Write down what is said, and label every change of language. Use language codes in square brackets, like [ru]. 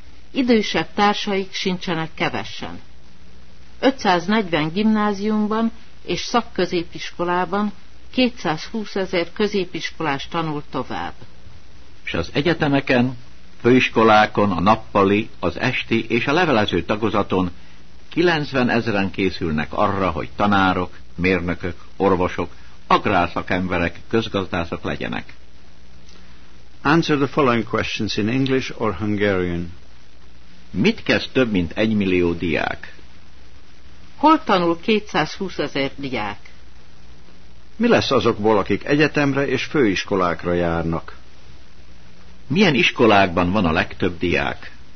[hu] Idősebb társaik sincsenek kevesen. 540 gimnáziumban és szakközépiskolában 220.000 középiskolás tanul tovább. És az egyetemeken, főiskolákon, a nappali, az esti és a levelező tagozaton 90.000-en készülnek arra, hogy tanárok, mérnökök, orvosok, agrárszakemberek, közgazdászok legyenek. [en] Answer the following questions in English or Hungarian. [hu] Mit kezd több mint 1 millió diák? Hol tanul 220.000 diák? Mi lesz azokból, akik egyetemre és főiskolákra járnak? Milyen iskolákban van a legtöbb diák?